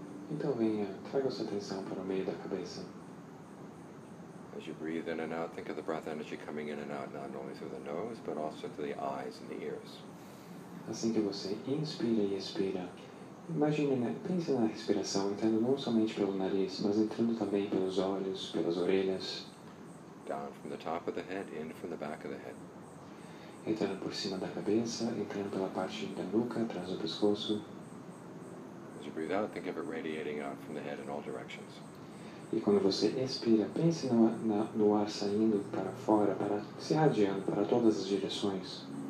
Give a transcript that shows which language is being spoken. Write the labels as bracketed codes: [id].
[pt] Então venha, traga sua atenção para o meio da cabeça. [en] As you breathe in and out, think of the breath energy coming in and out, not only through the nose, but also through the eyes and the ears. [pt] Assim que você inspira e expira, imagine, pense na respiração entrando não somente pelo nariz, mas entrando também pelos olhos, pelas orelhas. [en] Down from the top of the head, in from the back of the head. [pt] Entrando por cima da cabeça, entrando pela parte da nuca, atrás do pescoço. [en] As you breathe out, think of it radiating out from the head in all directions. [pt] E quando você expira, pense no ar saindo para fora, para se irradiando para todas as direções.